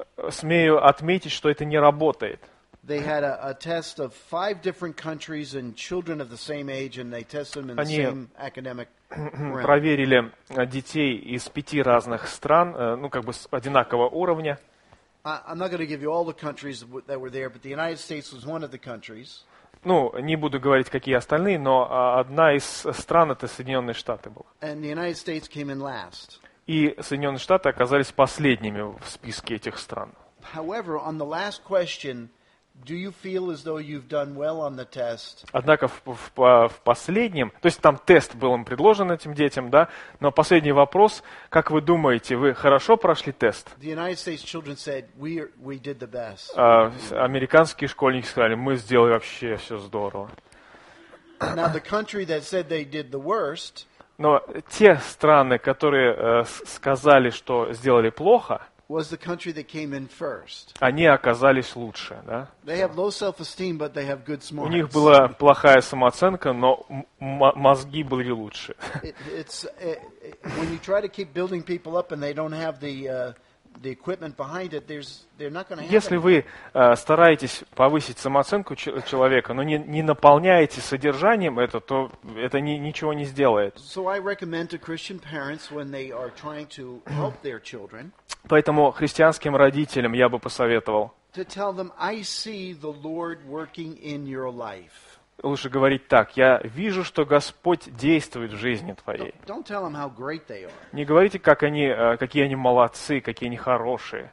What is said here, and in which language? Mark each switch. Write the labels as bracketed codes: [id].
[ru] Смею отметить, что это не работает. [en] They had a test of five different countries and children of the same age, and they tested them in the same academic realm. [ru] Они проверили детей из пяти разных стран, ну как бы с одинакового уровня. [en] I'm not going to give you all the countries that were there, but the United States was one of the countries. [ru] Ну, не буду говорить, какие остальные, но одна из стран это Соединенные Штаты была. [en] And the United States came in last. [ru] И Соединенные Штаты оказались последними в списке этих стран. [en] However, on the last question. Do you feel as though you've done well on the test? [ru] Однако в последнем, то есть там тест был им предложен этим детям, да, но последний вопрос, как вы думаете, вы хорошо прошли тест? [en] The United States children said, we did the best. [ru] Американские школьники сказали, мы сделали вообще все здорово. [en] Now the country that said they did the worst. [ru] Но те страны, которые сказали, что сделали плохо, [en] was the country that came in first. [ru] Они оказались лучше, да? [en] They have low self-esteem, but they have good smarts. [ru] У них была плохая самооценка, но мозги были лучше. [en] When you try to keep building people up and they don't have the equipment behind it, they're not going to. [ru] Если вы стараетесь повысить самооценку человека, но не наполняете содержанием это, то это ничего не сделает. [en] So I recommend to Christian parents when they are trying to help their children. [ru] Поэтому христианским родителям я бы посоветовал [en] them, I see the Lord working in your life. [ru] Лучше говорить так: я вижу, что Господь действует в жизни твоей. [en] Don't tell them how great they are. [ru] Не говорите, как они, какие они молодцы, какие они хорошие.